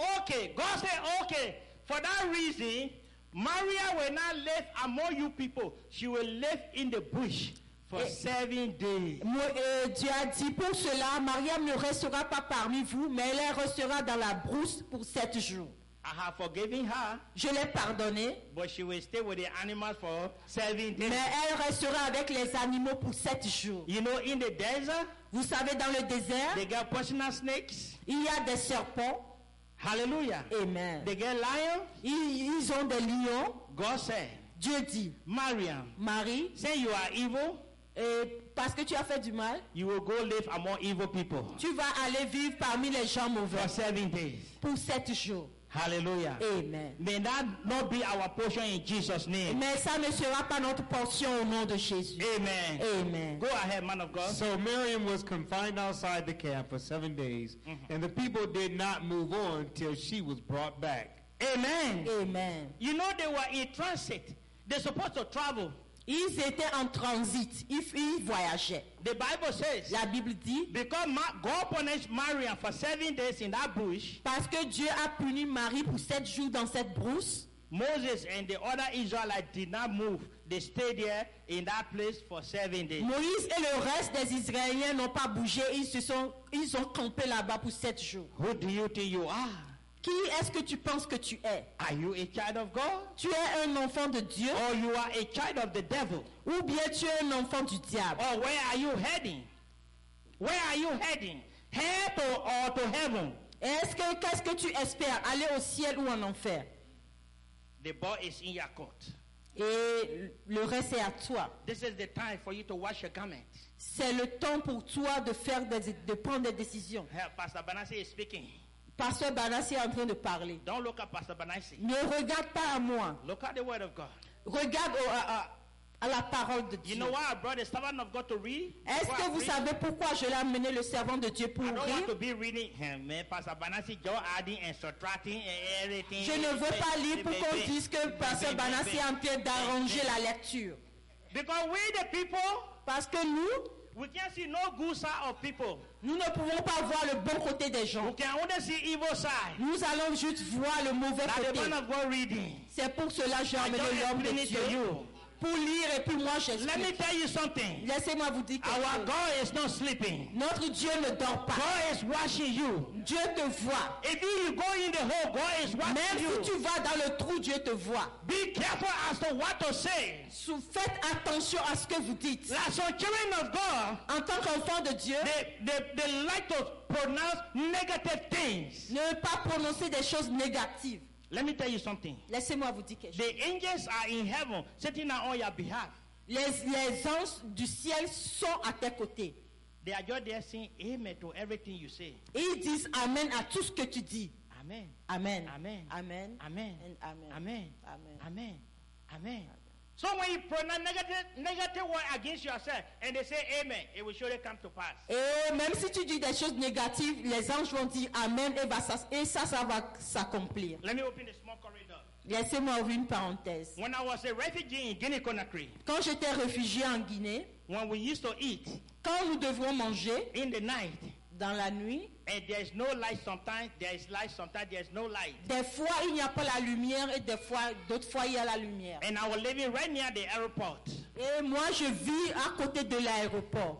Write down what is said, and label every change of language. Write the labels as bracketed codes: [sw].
[en] Okay, God said, okay, for that reason, Maria will not live among you people. She will live in the bush. For 7 days. [fr] Dieu a dit pour cela, Mariam ne restera pas parmi vous, mais elle restera dans la brousse pour 7 jours. [en] I have forgiven her. [fr] Je l'ai pardonné. [en] But she will stay with the animals for 7 days. [fr] Mais elle restera avec les animaux pour 7 jours. [en] You know, in the desert. [fr] Vous savez, dans le désert. [en] They got poisonous snakes. [fr] Il y a des serpents. [en] Hallelujah. Amen. They got lions. [fr] Ils ont des lions. [en] God said. [fr] Dieu dit, Mariam, Marie, [en] say you are evil, [fr] parce que tu as fait du mal, [en] you will go live among evil people. [fr] Tu vas aller vivre parmi les gens mauvais. [en] For 7 days. [fr] Pour 7 jours. [en] Hallelujah. Amen. May that not be our portion in Jesus' name. [fr] Mais ça ne sera pas notre portion au nom de Jésus. [en] Amen. Amen. Go ahead, man of God. So Miriam was confined outside the camp for 7 days, mm-hmm, and the people did not move on till she was brought back. Amen. Amen. You know they were in transit. They're supposed to travel. [fr] Ils étaient en transit. Ils voyageaient. [en] The Bible says. [fr] La Bible dit. [en] Because God punished Maria for 7 days in that bush. [fr] Parce que Dieu a puni Marie pour 7 jours dans cette brousse. [en] Moses and the other Israelites did not move. They stayed there in that place for 7 days. [fr] Moïse et le reste des Israéliens n'ont pas bougé. Ils ont campé là-bas pour 7 jours. [en] Who do you think you are? [fr] Qui est-ce que tu penses que tu es? [en] Are you a child of God? [fr] Tu es un enfant de Dieu? [en] Or you are a child of the devil? [fr] Ou bien tu es un enfant du diable? [en] Or where are you heading? Where are you heading? Hell or to heaven? [fr] Qu'est-ce que tu espères? Aller au ciel ou en enfer? [en] The ball is in your court. [fr] Et le reste est à toi. [en] This is the time for you to wash your garments. [fr] C'est le temps pour toi de faire de prendre des décisions. [en] Yeah, Pastor Banassi is speaking. [fr] Pasteur Banassi est en train de parler. [en] Don't look at Pastor Banassi. [fr] Ne regarde pas à moi. [en] Look at the word of God. [fr] Regarde à la parole de Dieu. [en] You know why I brought the servant of God to read? [fr] Est-ce que vous savez pourquoi je l'ai amené le servant de Dieu pour lire? [en] I don't want to be reading him, Pastor Banassi, just adding and subtracting and everything. [fr] Je ne veux pas lire pour qu'on dise que Pasteur Banassi est en train d'arranger la lecture. [en] Because we the people, [fr] parce que nous, [en] we can't see no good side of people. [fr] Nous ne pouvons pas voir le bon côté des gens. [en] We can only see evil side. [fr] Nous allons juste voir le mauvais [en] that [fr] côté. [en] The man of God reading. [fr] C'est pour cela que j'ai amené l'homme de Dieu. Pour lire et puis moi j'explique. [en] Let me tell you something. [fr] Laissez-moi vous dire quelque chose. [en] Our God is not sleeping. [fr] Notre Dieu ne dort pas. [en] God is watching you. [fr] Dieu te voit. [en] If you go in the hole, God is watching [fr] même [en] you. [fr] Si tu vas dans le trou, Dieu te voit. [en] Be careful as to what to say. [fr] Faites attention à ce que vous dites. [en] Like some children of God, [fr] en tant qu'enfant de Dieu, [en] they like to pronounce negative things. [fr] Ne pas prononcer des choses négatives. [en] Let me tell you something. [fr] Laissez-moi vous dire quelque chose. [en] The angels are in heaven, sitting on your behalf. [fr] Les anges du ciel sont à tes côtés. [en] They are just there saying amen to everything you say. [fr] Ils disent amen à tout ce que tu dis. [en] Amen. Amen. Amen. Amen. Amen. And amen. Amen. Amen. Amen. Amen. Amen. So when you pronounce negative word against yourself and they say amen, it will surely come to pass. [fr] Et même si tu dis des choses négatives, les anges vont dire amen et ça va s'accomplir. [en] Let me open a small corridor. [fr] Laissez-moi ouvrir une parenthèse. [en] When I was a refugee in Guinea-Conakry, [fr] quand j'étais réfugié en Guinée, [en] when we used to eat, [fr] quand nous devions manger, [en] in the night, [fr] dans la nuit, [en] and there is no light sometimes, there is light sometimes, there is no light. [fr] Des fois il n'y a pas la lumière et d'autres fois il y a la lumière. [en] And I was living right near the airport. [fr] Et moi je vis à côté de l'aéroport.